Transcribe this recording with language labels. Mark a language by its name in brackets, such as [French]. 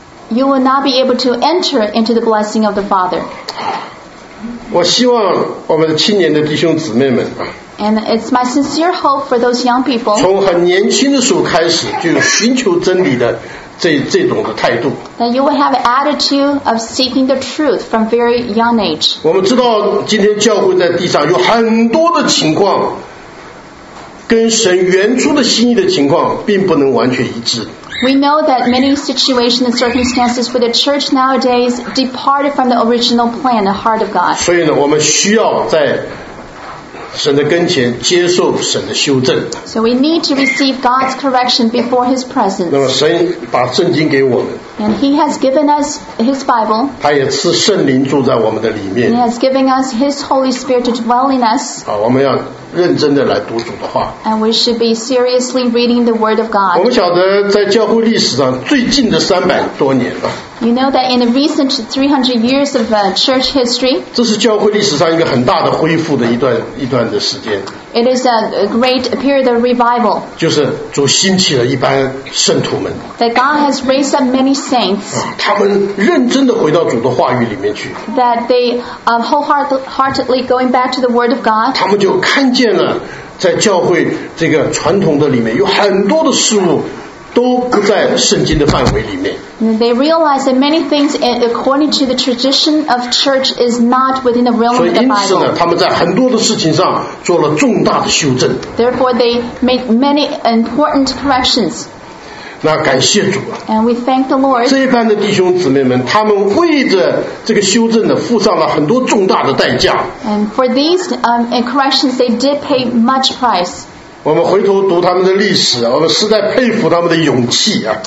[English] You will not be able to enter into the blessing of the Father. [Chinese] 我希望我们青年的弟兄姊妹们啊。 [English] And it's my sincere hope for those young people. [Chinese] 从很年轻的时候开始就寻求真理的这种的态度。 [English] That you will have an attitude of seeking the truth from very young age. [Chinese] 我们知道今天教会在地上有很多的情况跟神原初的心意的情况并不能完全一致。 [English] We know that many situations and circumstances for the church nowadays departed from the original plan, the heart of God. [Chinese] 所以呢，我们需要在神的跟前接受神的修正。 [English] So we need to receive God's correction before His presence. [Chinese] 那么神把圣经给我们。 [English] And He has given us His Bible. [Chinese] 他也赐圣灵住在我们的里面。 [English] He has given us His Holy Spirit to dwell in us. [Chinese] 好，我们要认真的来读主的话。 [English] And we should be seriously reading the Word of God. [Chinese] 我们晓得在教会历史上最近的三百多年了。 [English] You know that in the recent 300 years of church history, [Chinese] 这是教会历史上一个很大的恢复的一段的时间。 [English] It is a great period of revival. [Chinese] 就是主兴起了一班圣徒们。 [English] That God has raised up many saints. [Chinese] 他们认真的回到主的话语里面去。 [English] That they wholeheartedly going back to the Word of God. [Chinese] 他们就看见了在教会这个传统的里面有很多的事物都不在圣经的范围里面。 [English] They realize that many things according to the tradition of church is not within the realm of the Bible. [Chinese] 所以因此呢，他们在很多的事情上做了重大的修正。 [English] Therefore, they made many important corrections. [Chinese] 那感谢主。 [English] And we thank the Lord. [Chinese] 这一班的弟兄姊妹们，他们为着这个修正呢，付上了很多重大的代价。 [English] And for these corrections, they did pay much price. [Chinese] 我们回头读他们的历史，我们实在佩服他们的勇气啊。